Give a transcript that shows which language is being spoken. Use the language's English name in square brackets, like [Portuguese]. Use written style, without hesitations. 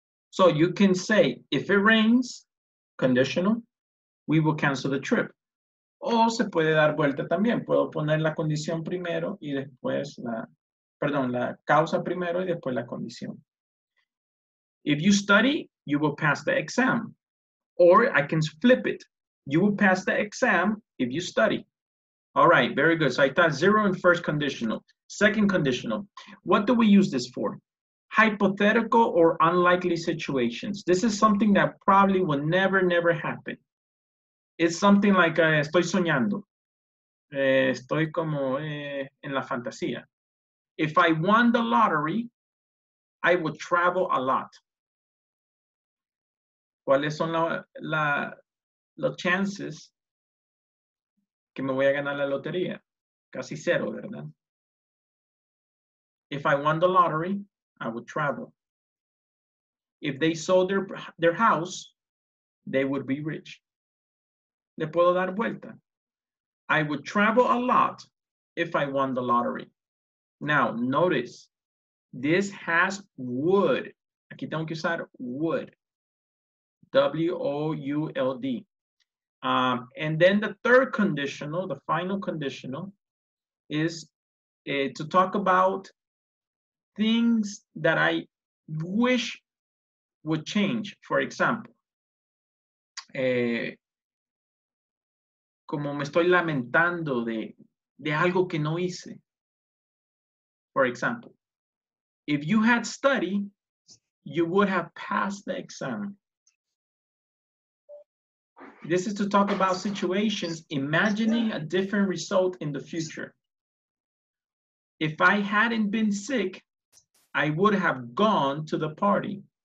[English] So you can say, if it rains, conditional, we will cancel the trip. [Spanish] O se puede dar vuelta también. Puedo poner la condición primero y después la, perdón, la causa primero y después la condición. [English] If you study, you will pass the exam. Or I can flip it. You will pass the exam if you study. All right, very good. So I thought zero in first conditional. Second conditional. What do we use this for? Hypothetical or unlikely situations. This is something that probably will never, never happen. It's something like [Spanish] estoy soñando. Estoy como en la fantasía. [English] If I won the lottery, I would travel a lot. [Spanish] ¿Cuáles son los chances que me voy a ganar la lotería? Casi cero, ¿verdad? [English] If I won the lottery, I would travel. If they sold their house, they would be rich. [Spanish] Le puedo dar vuelta. [English] I would travel a lot if I won the lottery. Now, notice, this has would. [Spanish] Aquí tengo que usar would. W-O-U-L-D. [English] And then the third conditional, the final conditional, is to talk about things that I wish would change. For example, [Spanish] como me estoy lamentando de algo que no hice. [English] For example, if you had studied, you would have passed the exam. This is to talk about situations, imagining a different result in the future. If I hadn't been sick, I would have gone to the party.